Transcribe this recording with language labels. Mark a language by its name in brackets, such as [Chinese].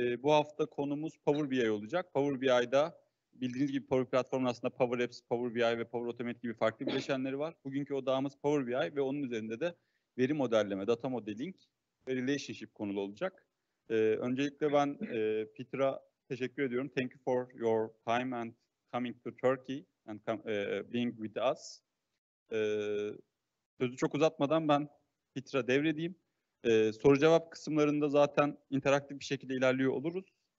[Turkish] Bu hafta konumuz Power BI olacak. Power BI'da bildiğiniz gibi Power Platform'un aslında Power Apps, Power BI ve Power Automate gibi farklı bileşenleri var. Bugünkü odağımız Power BI ve onun üzerinde de veri modelleme, data modeling, relationship konulu olacak. Öncelikle ben Peter'a teşekkür ediyorum. [English] Thank you for your time and coming to Turkey and being with us. [Turkish] Sözü çok uzatmadan ben Peter'a devredeyim. Soru cevap kısımlarında zaten interaktif bir şekilde ilerliyor oluruz.